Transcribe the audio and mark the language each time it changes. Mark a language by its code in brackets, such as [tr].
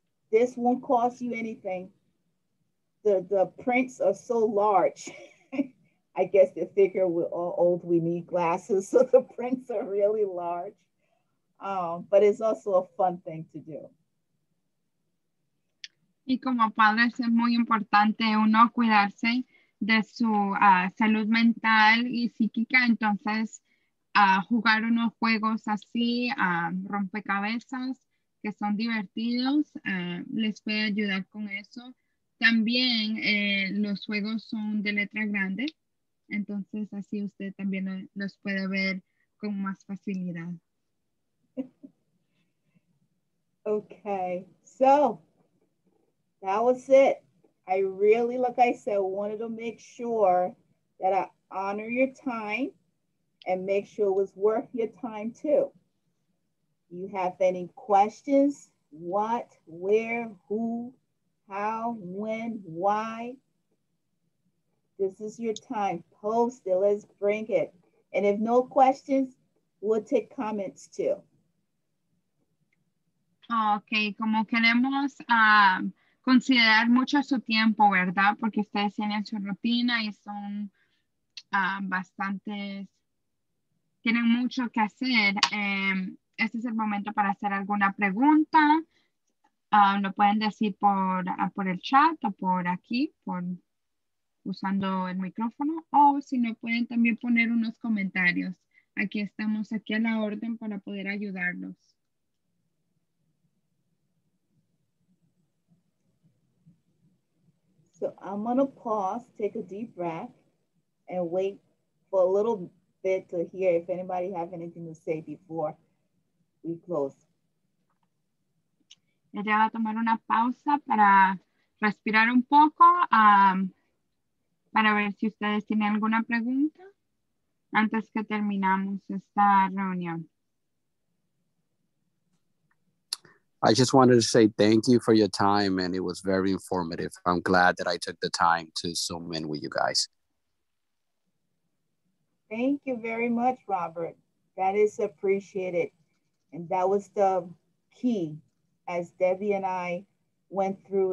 [en] This won't cost you anything. The prints are so large. I guess they figure we're all old, we need glasses, so the prints are really large. But it's also a fun thing to do. [es] Y como padres es muy importante uno cuidarse de su salud mental y psíquica, entonces jugar unos juegos así, rompecabezas, que son divertidos, les puede ayudar con eso. También los juegos son de letra grande, entonces así usted también los puede ver con más facilidad. [en] Okay, so that was it. I really, like I said, wanted to make sure that I honor your time and make sure it was worth your time too. You have any questions? What, where, who, how, when, why? This is your time. Post it, let's bring it. And if no questions, we'll take comments too. [es] Okay, como queremos considerar mucho su tiempo, ¿verdad? Porque ustedes tienen su rutina y son bastantes, tienen mucho que hacer. Este es el momento para hacer alguna pregunta. Lo pueden decir por el chat o por aquí, por usando el micrófono. O si no, pueden también poner unos comentarios. Aquí estamos, aquí a la orden para poder ayudarlos. [en] So I'm gonna pause, take a deep breath, and wait for a little bit to hear if anybody have anything to say before we close. [es] Ella va a tomar una pausa para respirar un poco, para ver si ustedes tienen alguna pregunta antes que terminamos esta reunión. [en] I just wanted to say thank you for your time and it was very informative. I'm glad that I took the time to zoom in with you guys. Thank you very much, Robert. That is appreciated. And that was the key as Debbie and I went through.